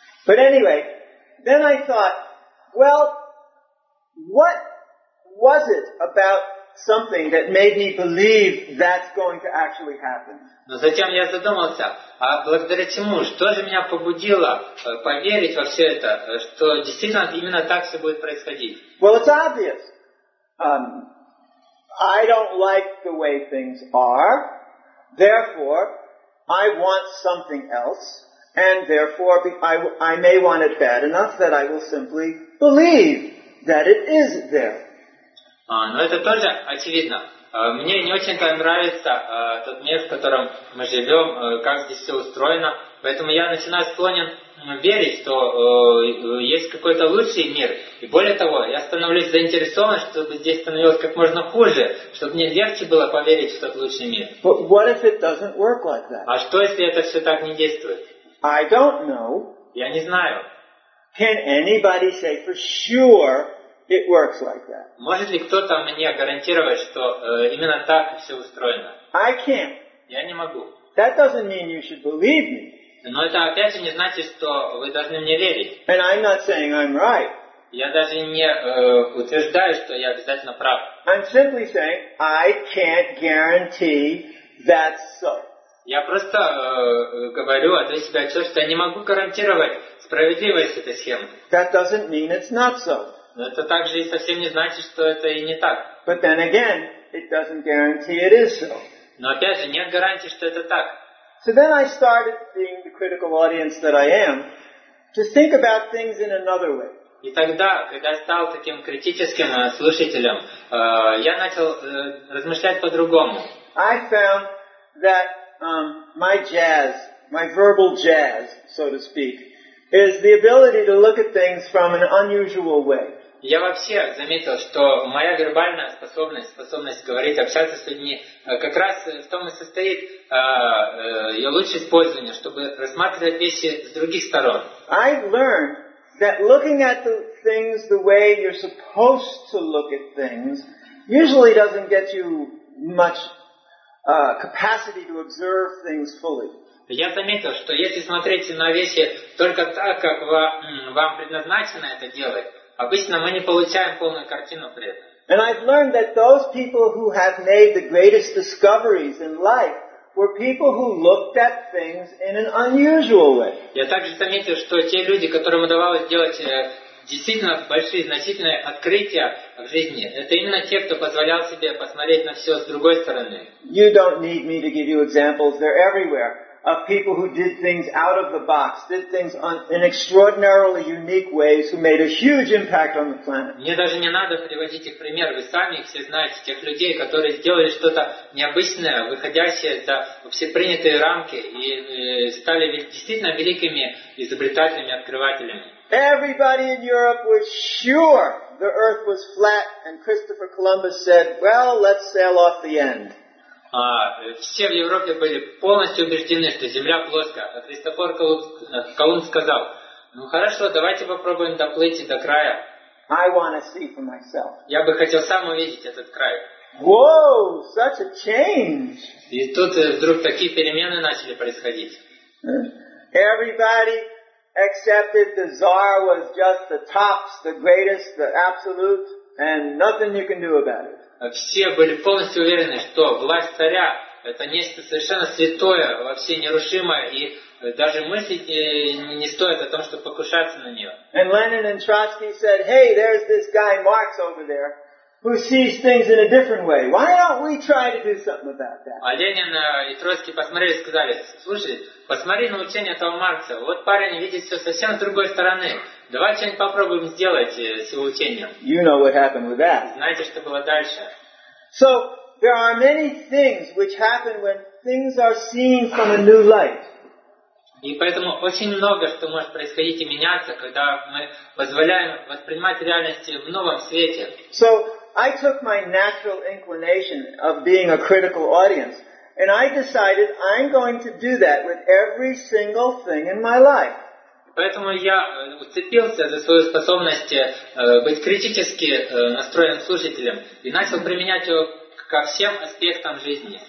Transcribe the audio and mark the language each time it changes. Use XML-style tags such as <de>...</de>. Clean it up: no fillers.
<en>But anyway, then I thought, well, what was it about something that made me believe that's going to actually happen?</en> <ru>Но затем я задумался, а благодаря чему, что же меня побудило поверить во все это, что действительно именно так все будет происходить?</ru> <en>Well, it's obvious. I don't like the way things are, therefore, I want something else, and therefore, I may want it bad enough that I will simply believe that it is there.</en> <ru>Но это тоже очевидно. Мне не очень-то нравится тот мир, в котором мы живем, как здесь все устроено. Поэтому я начинаю склонен верить, что есть какой-то лучший мир. И более того, я становлюсь заинтересован, чтобы здесь становилось как можно хуже, чтобы мне легче было поверить в тот лучший мир.</ru> <en>But what if it doesn't work like that?</en> <ru>А что, если это все так не действует?</ru> <en>I don't know.</en> <ru>Я не знаю.</ru> <en>Can anybody say for sure it works like that?</en> <ru>Может ли кто-то мне гарантировать, что именно так все устроено?</ru> <en>I can't.</en> <ru>Я не могу.</ru> <en>That doesn't mean you should believe me.</en> <ru>Но это опять же не значит, что вы должны мне верить.</ru> <en>And I'm not saying I'm right.</en> <ru>Я даже не утверждаю, что я обязательно прав.</ru> <en>I'm simply saying I can't guarantee that's so.</en> <ru>Я просто говорю о той себе отчет, что я не могу гарантировать справедливость этой схемы.</ru> <en>That doesn't mean it's not so.</en> <ru>Но это также и совсем не значит, что это и не так.</ru> <en>But then again, it doesn't guarantee it is so.</en> <ru>Но опять же, нет гарантии, что это так.</ru> <en>So then I started, being the critical audience that I am, to think about things in another way.</en> <ru>И тогда, когда я стал таким критическим слушателем, я начал размышлять по-другому.</ru> <en>I found that my jazz, my verbal jazz, so to speak, is the ability to look at things from an unusual way.</en> <ru>Я вообще заметил, что моя вербальная способность, способность говорить, общаться с людьми, как раз в том и состоит ее лучшее использование, чтобы рассматривать вещи с других сторон.</ru> <en>I've learned that looking at the things the way you're supposed to look at things usually doesn't get you much capacity to observe things fully.</en> <ru>Я заметил, что если смотреть на вещи только так, как вам предназначено это делать, обычно мы не получаем полную картину при этом.</ru> <en>And I've learned that those people who have made the greatest discoveries in life were people who looked at things in an unusual way.</en> <ru>Я также заметил, что те люди, которым удавалось делать действительно большие, значительные открытия в жизни, это именно те, кто позволял себе посмотреть на все с другой стороны.</ru> <en>You don't need me to give you examples. They're everywhere. Of people who did things out of the box, did things in extraordinarily unique ways, who made a huge impact on the planet.</en> <ru>Мне даже не надо приводить их пример, вы сами их все знаете, тех людей, которые сделали что-то необычное, выходящее за общепринятые рамки и стали действительно великими изобретателями, открывателями.</ru> <en>Everybody in Europe was sure the Earth was flat, and Christopher Columbus said, "Well, let's sail off the end."</en> <ru>Все в Европе были полностью убеждены, что Земля плоская. А Христофор Колумб сказал, ну хорошо, давайте попробуем доплыть до края.</ru> <en>I want to see for myself.</en> <ru>Я бы хотел сам увидеть этот край.</ru> <en>Whoa, such a change.</en> <ru>И тут вдруг такие перемены начали происходить.</ru> <en>Everybody accepted the Tsar was just the tops, the greatest, the absolute, and nothing you can do about it.</en> <ru>Все были полностью уверены, что власть царя – это нечто совершенно святое, вообще нерушимое, и даже мыслить не стоит о том, чтобы покушаться на нее.</ru> <en>And Lenin and Trotsky said, "Hey, there's this guy Marx over there, who sees things in a different way. Why don't we try to do something about that?"</en> <ru>А Ленин и Троцкий посмотрели и сказали: "Слушай, посмотри на учение этого Маркса. Вот парень видит все совсем с другой стороны." Давай что-нибудь попробуем сделать с его учением.</ru> <en>You know what happened with that.</en> <ru>Знаете, что было дальше?</ru> <en>So there are many things which happen when things are seen from a new light.</en> <ru>И поэтому очень много, что может происходить и меняться, когда мы позволяем воспринимать реальность в новом свете.</ru> <en>So I took my natural inclination of being a critical audience, and I decided I'm going to do that with every single thing in my life.</en> <ru>Поэтому я уцепился за свою способность быть критически настроенным слушателем и начал применять его ко всем аспектам жизни.</ru>